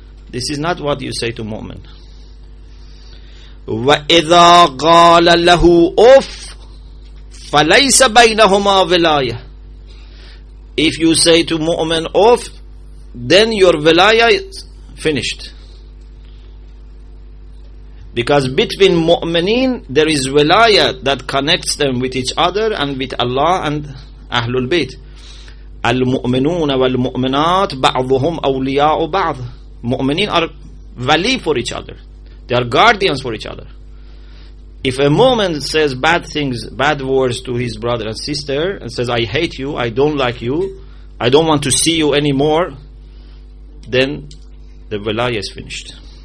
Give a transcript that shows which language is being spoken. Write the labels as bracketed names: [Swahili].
[English] This is not what you say to mu'min. [Arabic] وَإِذَا قَالَ لَهُ أُفْ فَلَيْسَ بَيْنَهُمَا وِلَايَةٌ. [English] If you say to mu'min أُفْ, then your wilayah is finished. Because between mu'mineen, there is wilayah that connects them with each other and with Allah and Ahlul Bayt. [Arabic] المؤمنون والمؤمنات بعضهم أولياء بعض. [English] Mu'mineen are wali for each other. They are guardians for each other. If a mu'min says bad things, bad words to his brother and sister, and says, I hate you, I don't like you, I don't want to see you anymore, then the wilayah is finished.